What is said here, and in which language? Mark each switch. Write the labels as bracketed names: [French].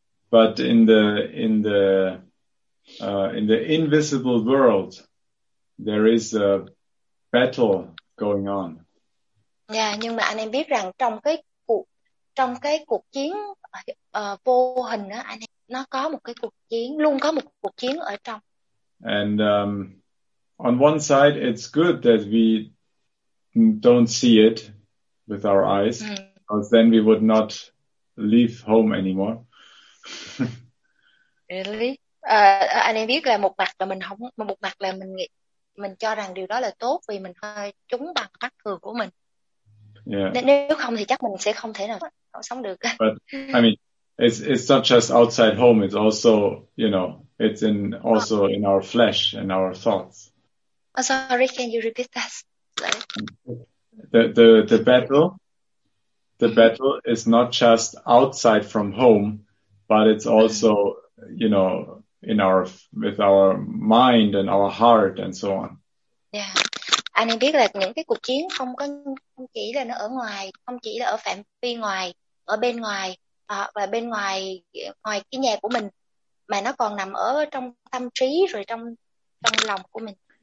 [English] But in the invisible world, there is a battle going on. [Vietnamese] Yeah, nhưng mà anh em biết rằng trong cái cuộc chiến vô hình đó, anh em, nó có một cái cuộc chiến, luôn có một cuộc chiến ở trong. [English] And on one side, it's good that we don't see it with our eyes. Mm. Because then we would not leave home anymore. Really? [Vietnamese] Anh em biết là một mặt là mình không, một mặt là mình cho rằng điều đó là tốt vì mình hơi trúng bằng mắt thường của mình. [English] Yeah. [Vietnamese] Nếu không thì chắc mình sẽ không thể nào sống được. [English] But I mean, it's not just outside home. It's also, you know, it's in also in our flesh and our thoughts. Oh, sorry, can you repeat that? Sorry. The battle is not just outside from home, but it's also, you know, with our mind and our heart and so on. [Vietnamese] Yeah, anh em biết là những cái cuộc chiến không chỉ là nó ở ngoài, không chỉ là ở phạm vi ngoài, ở bên ngoài, và bên ngoài ngoài cái nhà của mình, mà nó còn nằm ở trong tâm trí rồi trong lòng của mình.